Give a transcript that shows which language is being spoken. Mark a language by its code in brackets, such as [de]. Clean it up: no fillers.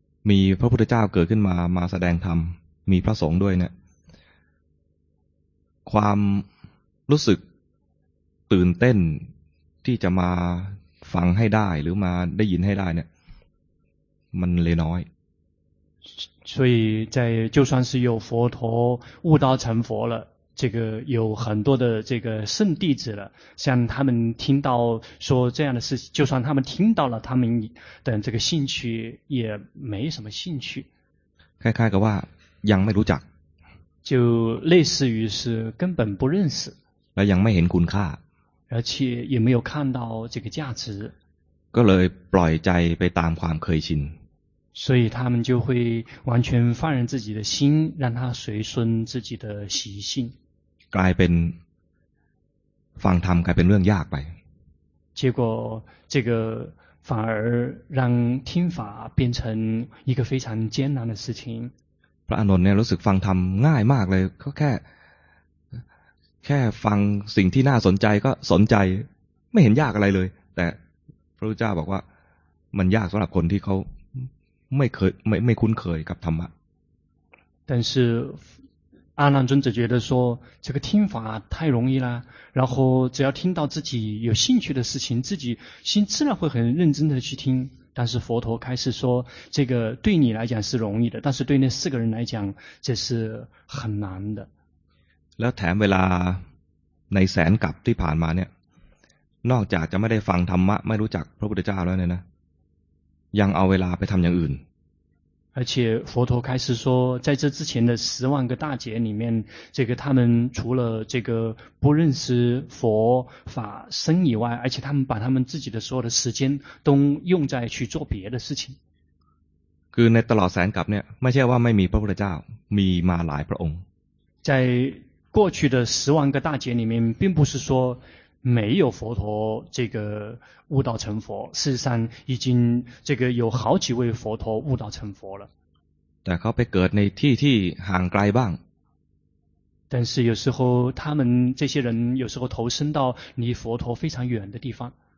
[th] มีพระพุทธเจ้าเกิดขึ้นมามาแสดงธรรมมีพระสงฆ์ด้วยเนี่ยความรู้สึกตื่นเต้นที่จะมาฟังให้ได้หรือมาได้ยินให้ได้เนี่ยมันเลยน้อย [zh] 所以在就算是有佛陀悟道成佛了，这个有很多的这个圣弟子了，像他们听到说这样的事情，就算他们听到了，他们的这个兴趣也没什么兴趣。开开个话，样没รู้จัก，就类似于是根本不认识。 [th] และยังไม่เห็นคุณค่า， [zh] 而且也没有看到这个价值。 [th] ก็เลยปล่อยใจไปตามความเคยชิน。 [zh] 所以他们就会完全放任自己的心，让他随顺自己的习性。 [th] กลายเป็นฟังธรรมกลายเป็นเรื่องยากไป。 [zh] 结果这个反而让听法变成一个非常艰难的事情。 [th] พระอานนท์เนี่ยรู้สึกฟังธรรมง่ายมากเลยก็แค่ฟังสิ่งที่น่าสนใจก็สนใจไม่เห็นยากอะไรเลยแต่พระพุทธเจ้าบอกว่ามันยากสำหรับคนที่เขาไม่คุ้นเคยกับธรรมะ [zh] 但是阿难尊者觉得说这个听法太容易了然后只要听到自己有兴趣的事情自己心自然会很认真的去听但是佛陀开始说这个对你来讲是容易的但是对那四个人来讲这是很难的 [th] แล้วแถมเวลาในแสนกับที่ผ่านมาเนี่ยนอกจากจะไม่ได้ฟังธรรมะไม่รู้จักพระพุทธเจ้าแล้วเนี่ยนะยังเอาเวลาไปทำอย่างอื่น [zh] 而且佛陀开始说在这之前的十万个大劫里面这个他们除了这个不认识佛法僧以外而且他们把他们自己的所有的时间都用在去做别的事情 [th] คือในตลอดแสนกับเนี่ยไม่ใช่ว่าไม่มีพระพุทธเจ้ามีมาหลายพระองค์ [zh] 在过去的十万个大劫里面并不是说没有佛陀这个悟道成佛事实上已经这个有好几位佛陀悟道成佛了 [th] แต่เขาไปเกิดในที่ที่ห่างไกลบ้าง [zh] 但是有时候他们这些人有时候投身到离佛陀非常远的地方